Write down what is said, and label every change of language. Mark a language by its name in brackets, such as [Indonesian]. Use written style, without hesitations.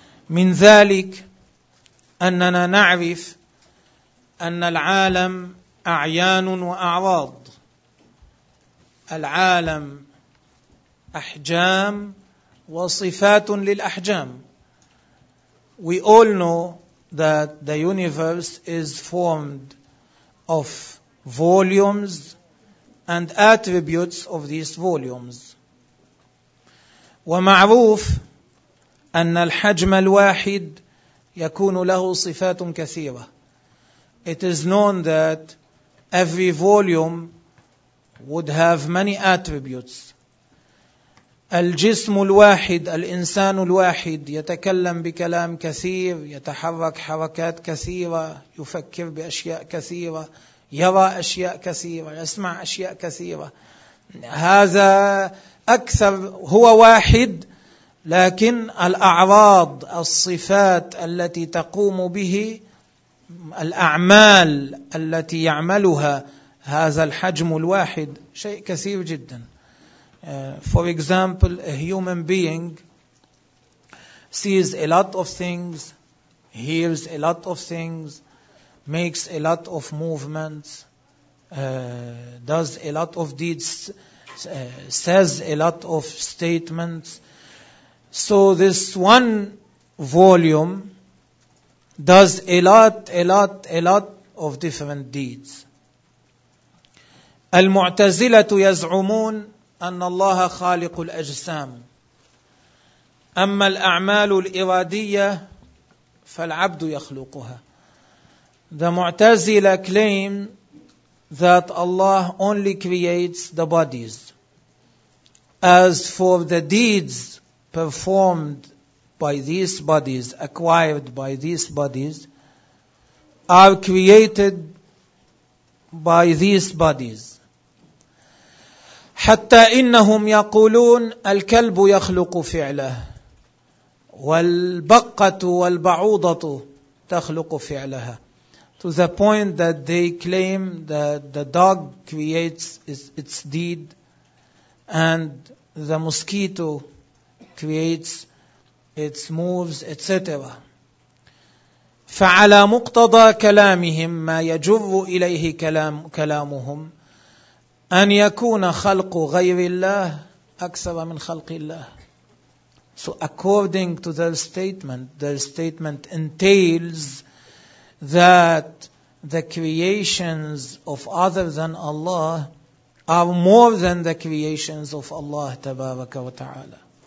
[Arabic] من ذلك أننا نعرف أن العالم أعيان وأعراض. العالم أحجام وصفات للأحجام. [English] We all know that the universe is formed of volumes and attributes of these volumes. [Arabic] ومعروف أن الحجم الواحد يكون له صفات كثيرة. [English] It is known that every volume would have many attributes. [Arabic] الجسم الواحد الإنسان الواحد يتكلم بكلام كثير يتحرك حركات كثيرة يفكر بأشياء كثيرة يرى أشياء كثيرة يسمع أشياء كثيرة. هذا أكثر هو واحد لكن الأعراض الصفات التي تقوم به الأعمال التي يعملها هذا الحجم الواحد شيء كثير جدا. [English] For example, a human being sees a lot of things, hears a lot of things, makes a lot of movements, does a lot of deeds, says a lot of statements. So this one volume does a lot of different deeds. [Arabic] المعتزلة يزعمون أن الله خالق الأجسام أما الأعمال الإرادية فالعبد يخلقها. [English] The Mu'tazila claim that Allah only creates the bodies. As for the deeds performed by these bodies, acquired by these bodies, are created by these bodies. [Arabic] حتى إنهم يقولون الكلب يخلق فعله والبقة والبعوضة تخلق فعلها. [English] To the point that they claim that the dog creates its deed and the mosquito creates its moves, etc. [Arabic] فعلى مقتضى كلامهم ما يجر إليه كلامهم أن يكون خلق غير الله أكثر من خلق الله. [English] So according to their statement entails that the creations of other than Allah are more than the creations of Allah [Arabic] تبارك وتعالى.